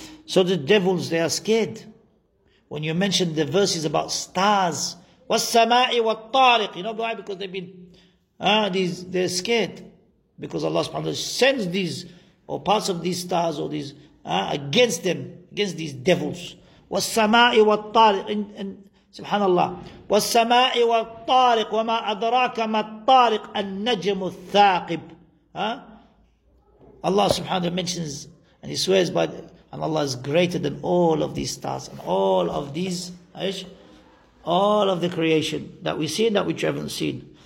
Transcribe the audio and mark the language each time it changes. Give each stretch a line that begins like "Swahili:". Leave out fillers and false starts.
English: So the devils, they are scared. When you mention the verses about stars,
Arabic: وَالسَّمَاءِ وَالطَّارِقِ.
English: You know why? Because they've been, they're scared. Because Allah subhanahu wa ta'ala sends these or parts of these stars or these against them, against these devils.
Arabic: وَالسَّمَاءِ وَالطَّارِقِ Subhanallah. وَالسَّمَاءِ وَالطَّارِقِ وَمَا أَدْرَاكَ مَا الطَّارِقِ النَّجْمُ الثَّاقِبُ
English: Allah subhanahu wa ta'ala mentions and he swears by and Allah is greater than all of these stars and all of these all of the creation that we see and that which we haven't seen.